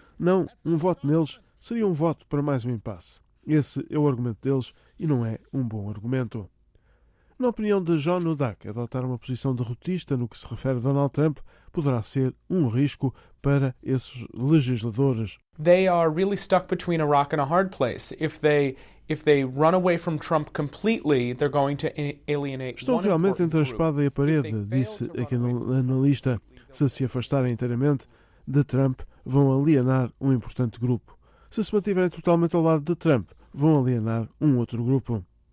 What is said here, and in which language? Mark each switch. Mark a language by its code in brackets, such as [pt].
[pt] Não, um voto neles seria um voto para mais um impasse. Esse é o argumento deles e não é um bom argumento. Na opinião de John Udak, adotar uma posição derrotista no que se refere a Donald Trump poderá ser um risco para esses legisladores. [en] They are really stuck between a rock and a hard place. If they run away from Trump completely, they're going to alienate. [pt] Estão realmente entre a espada e a parede, disse aquele analista. Se se afastarem inteiramente de Trump, vão alienar um importante grupo. Se se mantiverem totalmente ao lado de Trump, vão alienar um outro grupo.